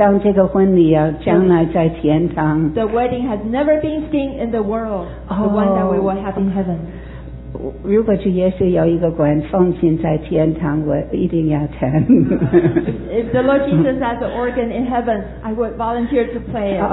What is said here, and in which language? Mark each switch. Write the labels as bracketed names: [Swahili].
[Chinese] 世界从来没有看见一个婚礼像这个婚礼啊，将来在天堂. [English] The wedding has never been seen in the world, the one that we will have in heaven. [Chinese] 如果主耶稣有一个管奉献在天堂，我一定要弹。 [English] If the Lord Jesus has an organ in heaven, I would volunteer to play it.